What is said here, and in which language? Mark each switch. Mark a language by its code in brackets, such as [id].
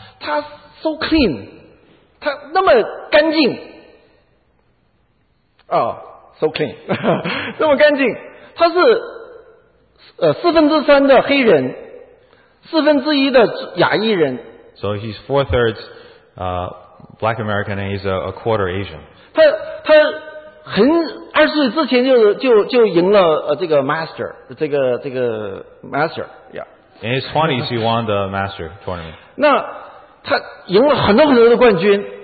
[zh] 他 [en] so clean， [zh] 他那么干净。 [en] Oh, so clean， [zh] 那么干净。他是四分之三的黑人，四分之一的亚裔人。 [en] So he's four thirds Black American and he's a quarter Asian. [zh] 他很二十岁之前就赢了这个 Master， 这个 Master， yeah。 [en] In his twenties, he won the Master tournament. [zh] 那他赢了很多很多的冠军。